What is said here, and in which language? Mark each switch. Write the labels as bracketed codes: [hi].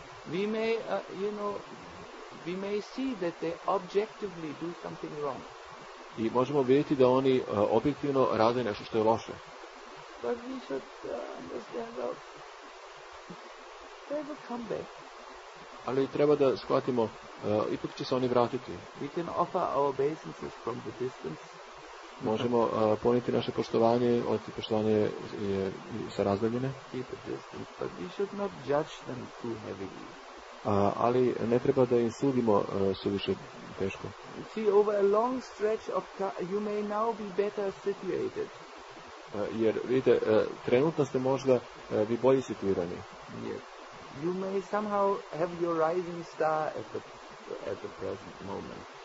[en] We may you know, we may see that they objectively do something wrong. [sr] I možemo vidjeti da oni objektivno rade nešto što je loše. [en] But we should understand that they will come back. [sr] Ali treba da shvatimo, ipak će se oni vratiti. [en] We can offer our obeisances from the distance. [sr] Možemo poniti naše poštovanje, ali poštovanje je sa razdaljine. [en] Keep a distance, but we should not judge them too heavily. [sr] Ali ne treba da im sudimo suviše teško. [en] See, over a long stretch of time, you may now be better situated. [sr] Jer vidite, trenutno ste možda vi bolje situirani. [en] Yes. You may somehow have your rising star at the present moment.